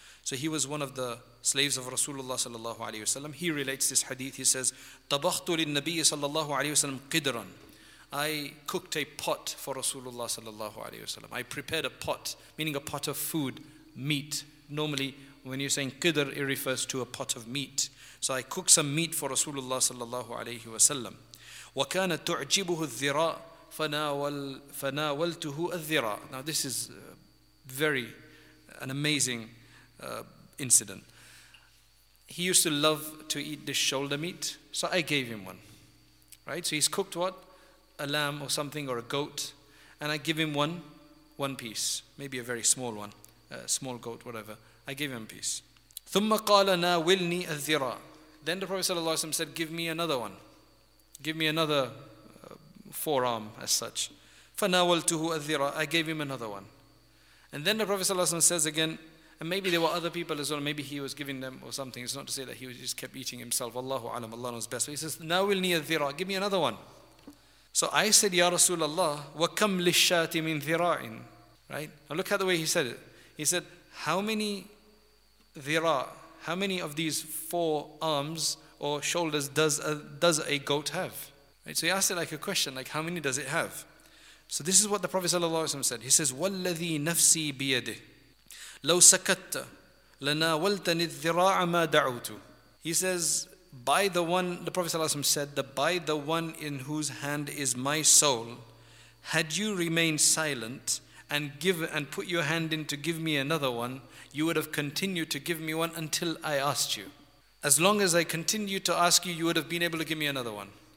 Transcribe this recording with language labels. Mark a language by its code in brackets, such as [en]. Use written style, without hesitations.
[en] So he was one of the slaves of Rasulullah sallallahu alayhi wa sallam. He relates this hadith. He says, [ar] طبخت للنبي صلى الله عليه وسلم قدرا. [en] I cooked a pot for Rasulullah sallallahu alayhi wasallam. I prepared a pot, meaning a pot of food, meat. Normally, when you're saying qidr, it refers to a pot of meat. So I cooked some meat for Rasulullah sallallahu alayhi wasallam. [ar] وَكَانَ تُعْجِبُهُ الذِّرَاءُ فَنَاوَلْتُهُ الذِّرَاءُ. [en] Now this is very, an amazing incident. He used to love to eat this shoulder meat, so I gave him one. Right, so he's cooked what? A lamb or something, or a goat, and I give him one piece, maybe a very small one, a small goat, whatever. I give him a piece. [ar] ثُمَّ قَالَ نَاوِلْنِي الذِّرَاءُ. [en] Then the Prophet ﷺ said, give me another one. Give me another forearm as such. [ar] فَنَاوَلْتُهُ الذِّرَاءُ. [en] I gave him another one. And then the Prophet ﷺ says again, and maybe there were other people as well, maybe he was giving them or something. It's not to say that he just kept eating himself. Allahu alam, Allah knows best. But he says, [ar] نَاوِلْنِي الذِّرَاءُ. [en] Give me another one. So I said, Ya Rasulullah, [ar] وَكَمْ لِلشَّاتِ مِنْ ذِرَاءٍ. [en] Right? Now look at the way he said it. He said, how many ذِرَاء, how many of these four arms or shoulders does a goat have? Right? So he asked it like a question, like how many does it have? So this is what the Prophet ﷺ said. He says, [ar] وَالَّذِي نَفْسِي بِيَدِهِ لَوْ سَكَتَّ لَنَاوَلْتَنِ الذِّرَاءَ مَا دَعُوتُ. [en] He says, by the one, the Prophet ﷺ said, that by the one in whose hand is my soul, had you remained silent and give and put your hand in to give me another one, you would have continued to give me one until I asked you. As long as I continued to ask you, you would have been able to give me another one.